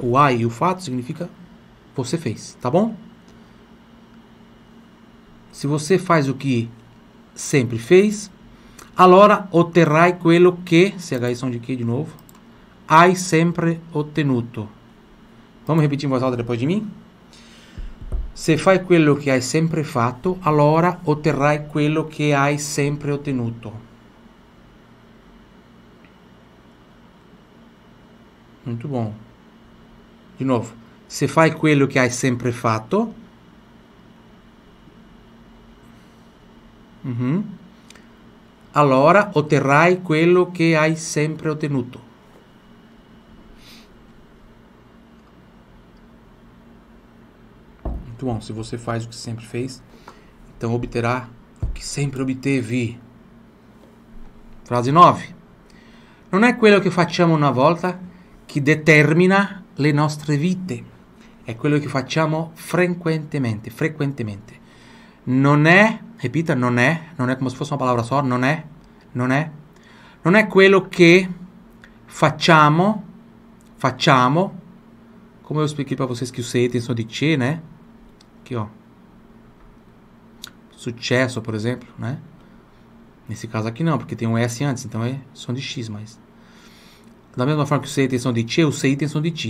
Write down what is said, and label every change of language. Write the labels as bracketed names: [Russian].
[Portuguese] O ai e o fato significa você fez, tá bom? Se você faz o que sempre fez, [Italian] allora otterrai quello che, [Portuguese] CH som de que de novo, [Italian] hai sempre ottenuto. [Portuguese] Vamos repetir em voz alta depois de mim? [Italian] Se fai quello che hai sempre fatto, allora otterrai quello che hai sempre ottenuto. [Portuguese] Muito bom. De novo. [Italian] Se fai quello che hai sempre fatto. Allora otterrai quello che hai sempre ottenuto. [Portuguese] Muito bom. Se você faz o que sempre fez, então obterá o que sempre obteve. Frase 9. [Italian] Non è quello che facciamo una volta che determina le nostre vite. È quello che facciamo frequentemente, frequentemente. Non è, ripeta, non è come se fosse una parola sola, non è, non è. Non è quello che facciamo, [Portuguese] come eu expliquei para vocês que o C tem som de C, né? Aqui, ó. Successo, por exemplo, né? Nesse caso aqui não, porque tem um S antes, então é som de X, mas da mesma forma que o C tem som de ti, o sei tem som de ti.